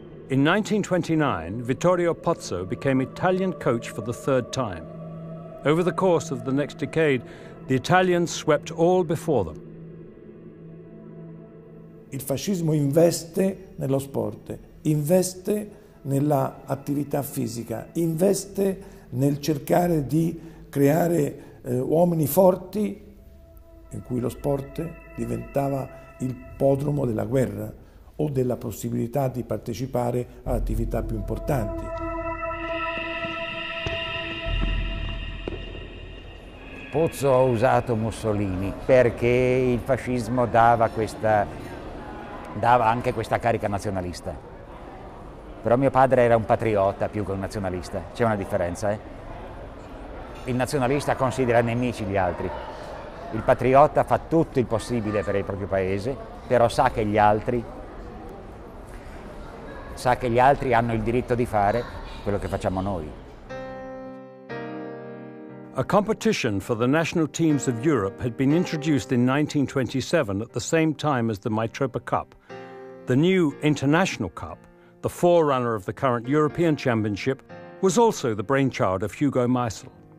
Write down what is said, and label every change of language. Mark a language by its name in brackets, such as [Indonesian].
[English] In 1929, Vittorio Pozzo became Italian coach for the third time. Over the course of the next decade, the Italians swept all before them. [Italian] Il fascismo investe nello sport, investe nella attività fisica, investe nel cercare di creare uomini forti, in cui lo sport diventava il podromo della guerra o della possibilità di partecipare a attività più importanti. Pozzo ha usato Mussolini perché il fascismo dava anche questa carica nazionalista. Però mio padre era un patriota più che un nazionalista. C'è una differenza, eh? Il nazionalista considera nemici gli altri. Il patriota fa tutto il possibile per il proprio paese, però sa che gli altri hanno il diritto di fare quello che facciamo noi. [English] A competition for the national teams of Europe had been introduced in 1927 at the same time as the Mitropa Cup. The new International Cup, the forerunner of the current European Championship, was also the brainchild of Hugo Maisel.